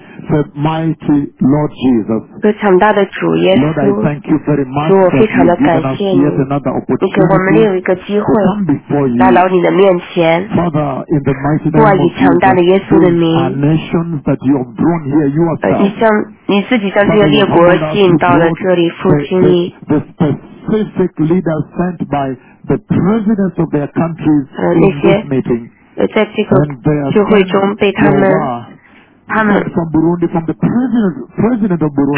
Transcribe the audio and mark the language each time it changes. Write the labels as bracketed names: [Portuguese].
[English] Say, mighty Lord Jesus, Lord, I thank you very much for giving us yet another opportunity to come before you. Father, in the mighty name of Jesus, our nations that you have drawn here, you are found. [Chinese] 你自己将这个列国进到了这里, 父亲你, [English] the specific leaders sent by the presidents of their countries in this meeting, [Chinese] 在这个聚会中被他们, [English] from Burundi, from the president of Burundi,